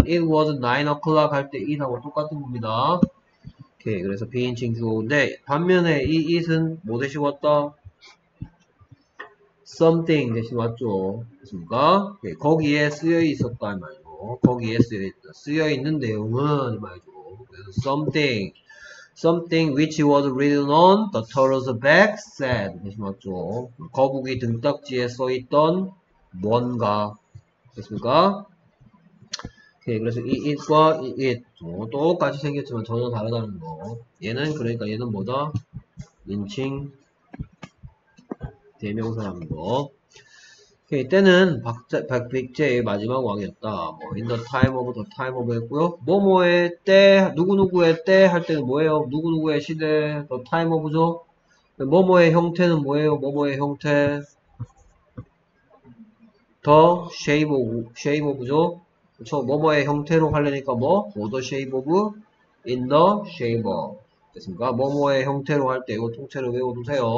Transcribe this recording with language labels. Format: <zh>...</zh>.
<en>It was 9 o'clock</en> <ko>할때 it하고 똑같은 겁니다. 오케이, 그래서 비인칭 주어인데 반면에 이 it은 뭐 대신 왔다? something 대신 왔죠. 맞습니까? 오케이, 거기에 쓰여 있었다, 말이죠. 거기에 쓰여 있는 내용은, 말이죠.</ko> <en>그래서 something which was written on the turtle's back said.</en> <ko>대신 왔죠. 거북이 등딱지에 써 있던 뭔가. 됐습니까? 오케이, 그래서 it과 it 똑같이 생겼지만 전혀 다르다는 거. 얘는, 그러니까 얘는 뭐다? 인칭 대명사라는 거. 오케이, 때는 백제의 마지막 왕이었다.</ko> <en>뭐, in the time of, the time of 했고요.</en> <ko>뭐뭐의 때, 누구누구의 때할 때는 뭐예요? 누구누구의 시대,</ko> <en>the time of</en> <ko>죠? 뭐뭐의 형태는 뭐예요? 뭐뭐의 형태.</ko> <en>The shape of죠?</en> <ko>그쵸? 뭐뭐의 형태로 하려니까 뭐?</ko> <en>Or the shape of in the shape of.</en> <ko>됐습니까? 뭐뭐의 형태로 할때 이거 통째로 외워두세요.</ko>